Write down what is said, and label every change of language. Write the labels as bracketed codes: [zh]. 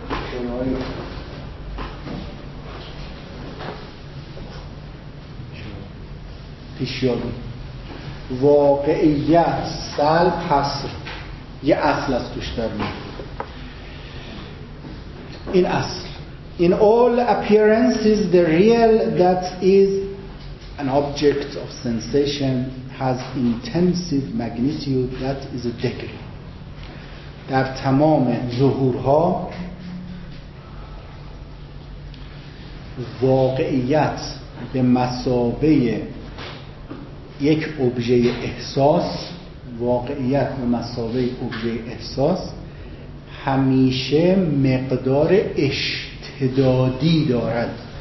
[fa] شنایی پیشیابی، واقعیت، سلب، حصر، یه اصل از توش داریم. این اصل، [en] in all appearances the real that is an object of sensation has intensive magnitude that is a degree. [fa] در تمام ظهورها واقعیت به مثابه یک ابژه احساس، واقعیت به مثابه ابژه احساس همیشه مقدار اشتدادی دارد.